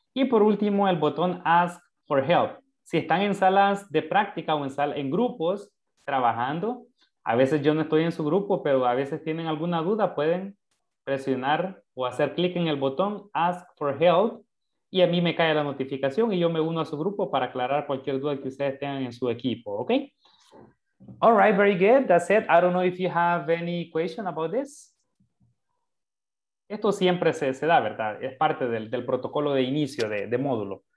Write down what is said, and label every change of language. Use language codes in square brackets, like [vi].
[es] Y por último, el botón Ask for Help. Si están en salas de práctica o en grupos trabajando, a veces yo no estoy en su grupo, pero a veces tienen alguna duda, pueden presionar o hacer clic en el botón Ask for Help y a mí me cae la notificación y yo me uno a su grupo para aclarar cualquier duda que ustedes tengan en su equipo, ¿ok? [en] All right, very good. That's it. I don't know if you have any question about this. [es] Esto siempre se da, ¿verdad? Es parte del protocolo de inicio de módulo.